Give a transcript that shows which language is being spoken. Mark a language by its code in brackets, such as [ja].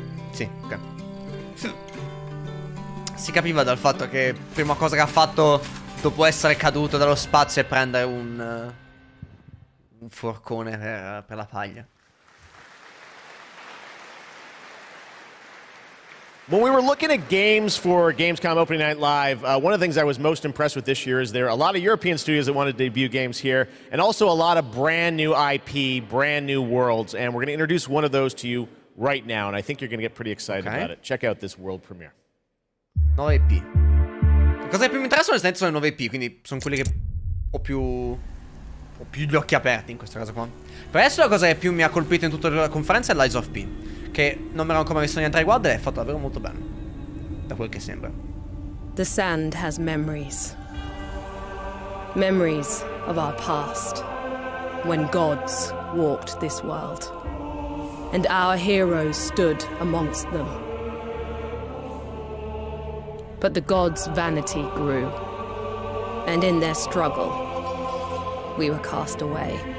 [it] Sì, ok. Si capiva dal fatto che prima cosa che ha fatto dopo essere caduto dallo spazio è prendere un forcone per la paglia. [en] When we were looking at games for Gamescom Opening Night Live, one of the things I was most impressed with this year is there are a lot of European studios that wanted to debut games here, and also a lot of brand new IP, brand new worlds, and we're going to introduce one of those to you right now, and I think you're going to get pretty excited about it. Check out this world premiere. [it] No IP. Cosa che più mi interessa nel senso sono le nuove IP, quindi sono quelle che ho più gli occhi aperti in questa cosa qua. Per adesso la cosa che più mi ha colpito in tutta la conferenza è Lies of P, che non mi ero ancora messo niente a riguardo, è fatto davvero molto bene, da quel che sembra. [en] The sand has memories. Memories of our past, when gods walked this world, and our heroes stood amongst them. But the gods' vanity grew, and in their struggle, we were cast away.